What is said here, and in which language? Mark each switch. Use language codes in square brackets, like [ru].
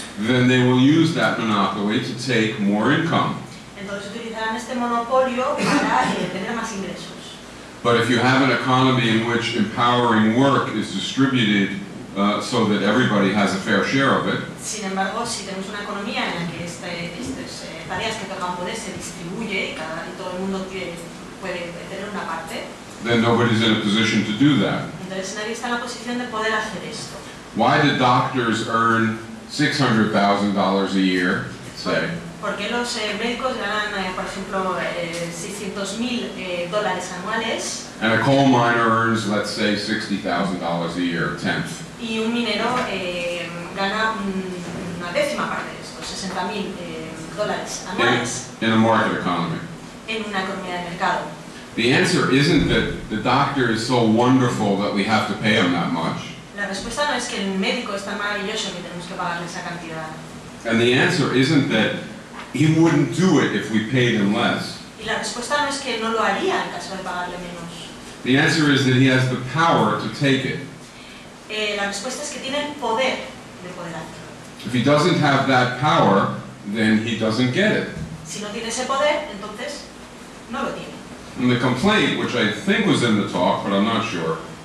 [en] Then they will use that monopoly to take more income. [es] Entonces utilizarán este monopolio para tener más ingresos. [en] But if you have an economy in which empowering work is distributed so that everybody has a fair share of it. [es] Sin embargo, si tenemos una economía en la que estas tareas que tengan poder se distribuye y todo el mundo puede tener una parte. [en] Then nobody's in a position to do that. [es] Entonces nadie está en la posición de poder hacer esto. [en] Why do doctors earn $600,000 a year, say? [es] ¿Por qué los médicos ganan, por ejemplo, $600,000 anuales? [en] And a coal miner earns, let's say, $60,000 a year, a tenth. [es] Y un minero gana una décima parte de esto, $60,000 anuales. [en] In a market economy. [es] En una economía de mercado. [en] The answer isn't that the doctor is so wonderful that we have to pay him that much. [es] La respuesta no es que el médico es tan maravilloso que tenemos que pagarle esa cantidad. [en] And the answer isn't that he wouldn't do it if we paid him less. [es] Y la respuesta no es que no lo haría en caso de pagarle menos. [en] The answer is that he has the power to take it. [es] La respuesta es que tiene el poder de poder hacerlo. [en] If he doesn't have that power, then he doesn't get it. [es] Si no tiene ese poder, entonces no lo tiene. [en] And the complaint, which I think was in the talk, but I'm not sure.